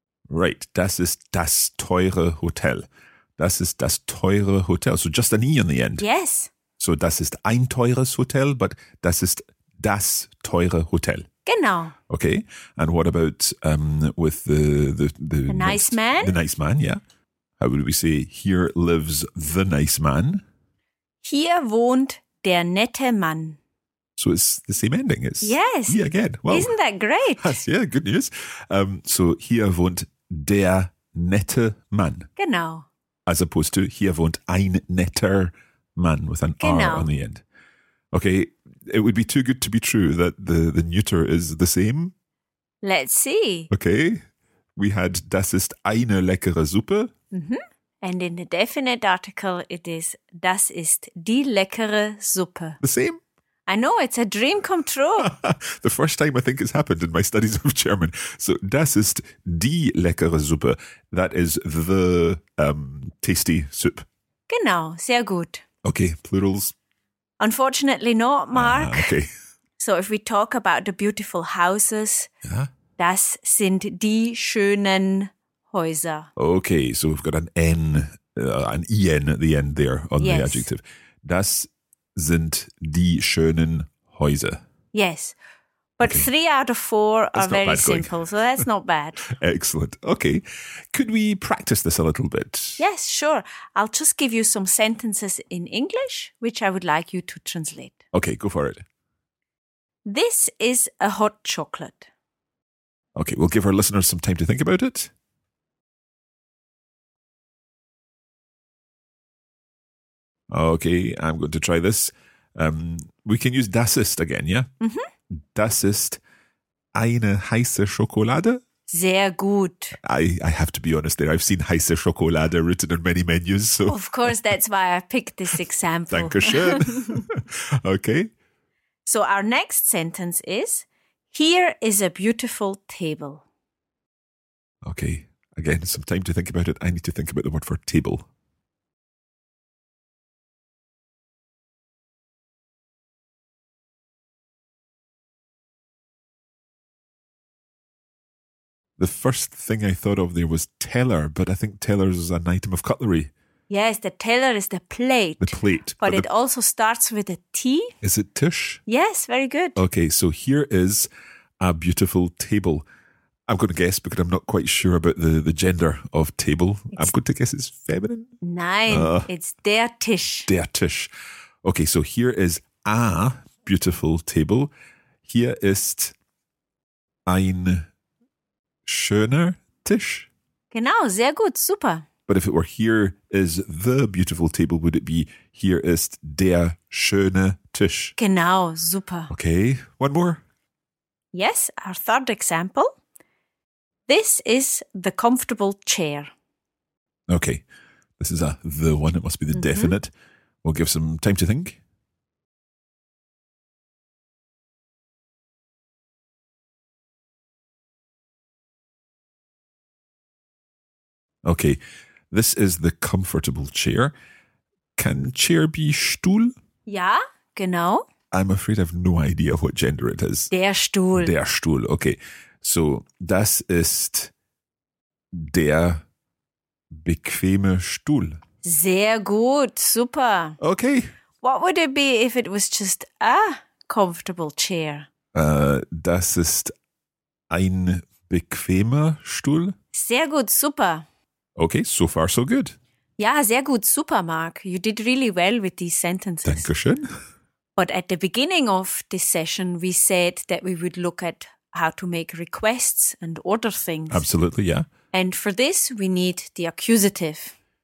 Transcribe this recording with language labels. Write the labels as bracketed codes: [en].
[de] Right, das ist das teure Hotel. [en] Das ist das teure Hotel. So just an E on the end. Yes. [de] So das ist ein teures Hotel, but das ist das teure Hotel. Genau. [en] Okay, and what about with the nice man? The nice man, yeah. How would we say, here lives the nice man? [de] Hier wohnt der nette Mann. [en] So it's the same ending. It's yes. E again. Well, isn't that great? Yeah, good news. [de] So hier wohnt der nette Mann. Genau. [en] As opposed to hier wohnt ein netter Mann with an R on the end. Okay, it would be too good to be true that the neuter is the same. Let's see. [de] Okay, we had das ist eine leckere Suppe. [en] Mm-hmm. And in the definite article, it is das ist die leckere Suppe. The same? I know, it's a dream come true. The first time I think it's happened in my studies of German. [de] So das ist die leckere Suppe. [en] That is the tasty soup. [de] Genau, sehr gut. [en] Okay, plurals. Unfortunately not, Mark. Okay. So if we talk about the beautiful houses, das sind die schönen Häuser. Okay, so we've got an EN at the end there on the adjective. [de] Das sind die schönen Häuser. [en] Yes, but three out of four are very simple, so that's not bad. Excellent. Okay, could we practice this a little bit? Yes, sure. I'll just give you some sentences in English, which I would like you to translate. Okay, go for it. This is a hot chocolate. Okay, we'll give our listeners some time to think about it. Okay, I'm going to try this. We can use das ist again, yeah? Mm-hmm. [de] Das ist eine heiße Schokolade. Sehr gut. [en] I have to be honest there. I've seen heiße Schokolade written on many menus. So. Of course, that's why I picked this example. [de] Dankeschön. Okay. [en] So our next sentence is, here is a beautiful table. Okay. Again, some time to think about it. I need to think about the word for table. The first thing I thought of there was teller, but I think teller is an item of cutlery. Yes, the tailor is the plate. The plate. But it also starts with a T. Is it tish? Yes, very good. Okay, so here is a beautiful table. I'm going to guess because I'm not quite sure about the gender of table. I'm going to guess it's feminine. [de] Nein, it's der Tisch. Der Tisch. [en] Okay, so here is a beautiful table. [de] Hier ist ein schöner Tisch. Genau, sehr gut, super. [en] But if it were here is the beautiful table, would it be hier ist der schöne Tisch? [de] Genau, super. [en] Okay, one more. Yes, our third example. This is the comfortable chair. Okay, this is the one. It must be the definite. We'll give some time to think. Okay, this is the comfortable chair. Can chair be Stuhl? [de] Ja, genau. [en] I'm afraid I have no idea what gender it is. [de] Der Stuhl. Der Stuhl, okay. So, das ist der bequeme Stuhl. Sehr gut, super. [en] Okay. What would it be if it was just a comfortable chair? [de] Das ist ein bequemer Stuhl. Sehr gut, super. [en] Okay, so far so good. [de] Ja, sehr gut, super, Mark. [en] You did really well with these sentences. [de] Dankeschön. [en] But at the beginning of this session, we said that we would look at how to make requests and order things. Absolutely, yeah. And for this, we need the accusative.